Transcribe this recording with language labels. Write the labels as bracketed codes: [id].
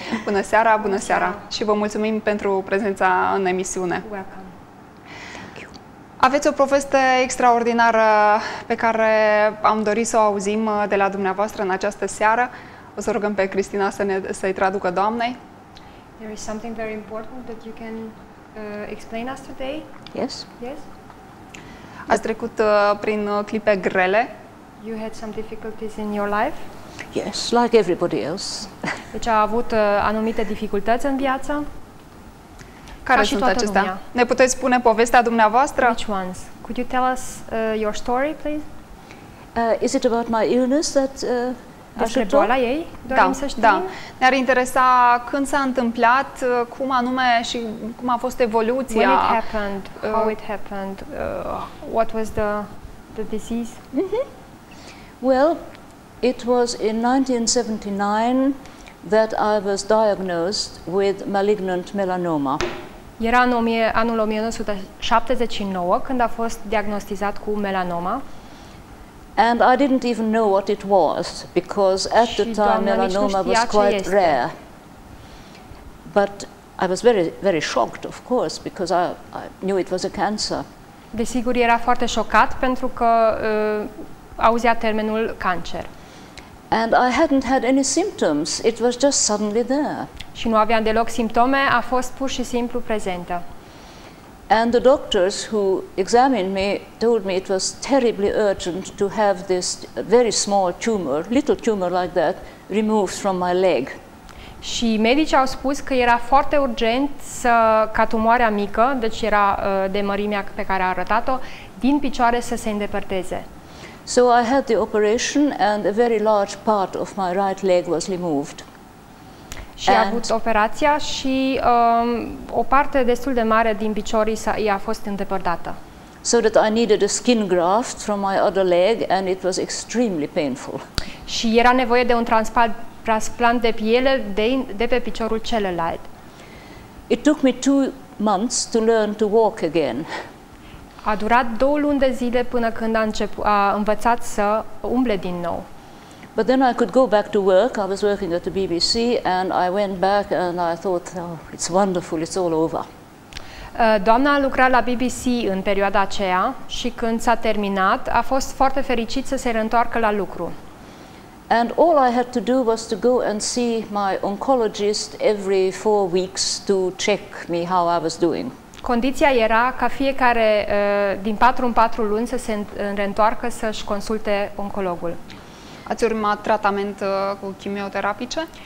[ro] Bună seara, bună seara! Și vă mulțumim pentru prezența în emisiune. [en] Welcome! [ro] Aveți o poveste extraordinară pe care am dorit să o auzim de la dumneavoastră în această seară. O să rugăm pe Cristina să-i traducă doamnei. [en] There is something very important that you can explain us today. Yes. Yes. [ro] Ați trecut prin clipe grele. [en] You had some difficulties in your life. Yes, like everybody else. [ro] Deci a avut anumite dificultăți în viață. Care sunt acestea? Lumea. Ne puteți spune povestea dumneavoastră? [en] Which ones? Could you tell us your story, please? Is it about my illness that [ro] despre boala ei? Dorim da, să știm? Da. Ne-ar interesa când s-a întâmplat, cum anume și cum a fost evoluția. [en] When it happened, how it happened, what was the disease? Mm-hmm. Well, it was in 1979 that I was diagnosed with malignant melanoma. [ro] Era în anul 1979 când a fost diagnosticat cu melanoma. [en] And I didn't even know what it was because at the time melanoma was quite rare. But I was very very shocked of course because I knew it was a cancer. [ro] Desigur era foarte șocat pentru că auzea termenul cancer. [en] And I hadn't had any symptoms. It was just suddenly there. [ro] Și nu aveam deloc simptome, a fost pur și simplu prezentă. [en] And the doctors who examined me told me it was terribly urgent to have this very small tumor, little tumor like that, removed from my leg. [ro] Și medicii au spus că era foarte urgent să ca tumoarea mică, deci era de mărimea pe care a arătat-o, din picioare să se îndepărteze. [en] So I had the operation and a very large part of my right leg was removed. [ro] Și a avut operația și o parte destul de mare din piciorii i-a fost îndepărtată. [en] So that I needed a skin graft from my other leg and it was extremely painful. [ro] Și era nevoie de un transplant de piele de pe piciorul celălalt. [en] It took me 2 months to learn to walk again. [ro] A durat 2 luni de zile până când a învățat să umble din nou. [en] But then I could go back to work. I was working at the BBC and I went back and I thought, oh, it's wonderful, it's all over. [ro] Doamna a lucrat la BBC în perioada aceea și când s-a terminat, a fost foarte fericit să se reîntoarcă la lucru. [en] And all I had to do was to go and see my oncologist every 4 weeks to check me how I was doing. [ro] Condiția era ca fiecare din 4 în 4 luni să se reîntoarcă să-și consulte oncologul. Ați urmat tratament cu chimioterapice?